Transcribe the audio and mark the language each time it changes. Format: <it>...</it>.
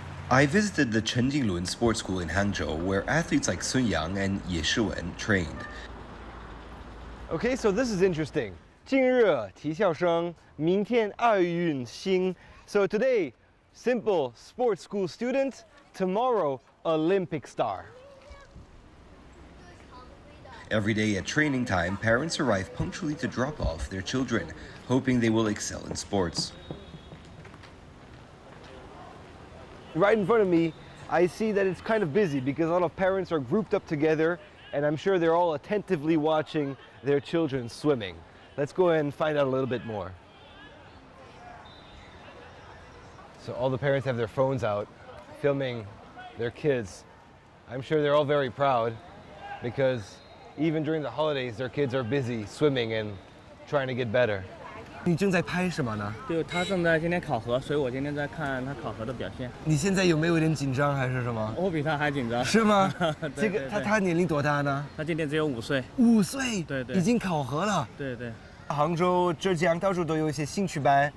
<en>I visited the Chen Jinglun Sports School in Hangzhou, where athletes like Sun Yang and Ye Shiwen trained. Okay, so this is interesting.</en> <zh>近日体校生，明天奥运星。</zh> <en>So today, simple sports school student. Tomorrow, Olympic star. Every day at training time, parents arrive punctually to drop off their children, hoping they will excel in sports. Right in front of me, I see that it's kind of busy because a lot of parents are grouped up together, and I'm sure they're all attentively watching their children swimming. Let's go ahead and find out a little bit more. So all the parents have their phones out, filming their kids. I'm sure they're all very proud because even during the holidays, their kids are busy swimming and trying to get better.</en> <zh>你正在拍什么呢？对，他正在今天考核，所以我今天在看他考核的表现。你现在有没有点紧张还是什么？我比他还紧张。是吗？对对对，这个他年龄多大呢？他今年只有五岁。五岁？对对。已经考核了。对对。杭州、浙江到处都有一些兴趣班，</zh>